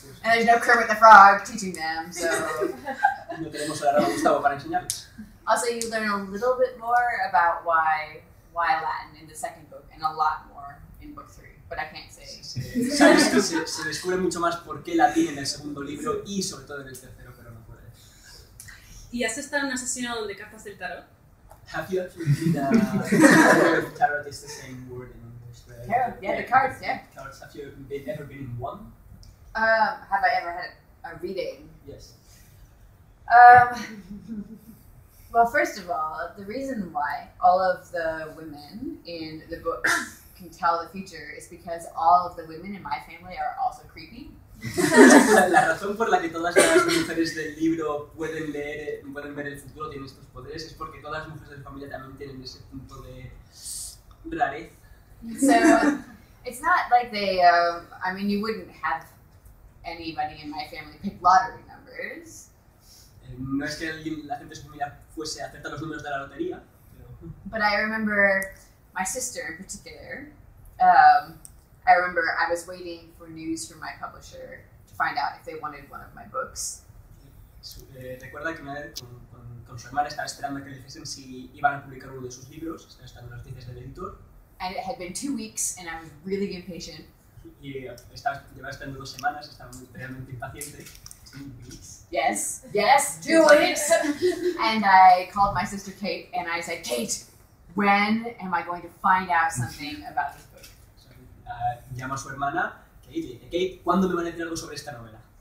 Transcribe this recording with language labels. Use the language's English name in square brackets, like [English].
[English] And there's no Kermit the Frog teaching them, so. [Spanish] No tenemos a Gustavo para enseñarles. [English] Also, you learn a little bit more about why Latin in the second book, and a lot more in book three, but I can't say. [Spanish] Sabes que se descubre mucho más por qué latín en el segundo libro y sobre todo en el tercero, pero no puede. ¿Y has estado en una sesión de cartas del tarot? [English] Have you ever been in tarot? Is the same word in English, right? Yeah, the cards, yeah. Cards. Have you ever been in one? Have I ever had a reading? Yes. Well, first of all, the reason why all of the women in the book can tell the future is because all of the women in my family are also creepy. [Spanish] La razón por la que todas las mujeres del libro pueden leer, pueden ver el futuro, tienen estos poderes, es porque todas las mujeres de la familia también tienen ese punto de rarez. [English] So, it's not like they, I mean, you wouldn't have anybody in my family pick lottery numbers. [Spanish] No es que alguien, la gente de su familia fuese a acertar los números de la lotería, pero... [English] But I remember my sister in particular. I remember I was waiting for news from my publisher to find out if they wanted one of my books. [Spanish] Recuerda que con su hermana estaba esperando que le dijesen si iban a publicar uno de sus libros, estaba esperando las noticias del editor. [English] And it had been 2 weeks and I was really impatient. [Spanish] Y estaba, llevaba esperando 2 semanas, estaba realmente impaciente. [English] Yes, 2 weeks. And I called my sister Kate and I said, Kate, when am I going to find out something about this book? [Spanish] Llama a su hermana, Kate, y dice, Kate, ¿cuándo me van a decir algo sobre esta novela?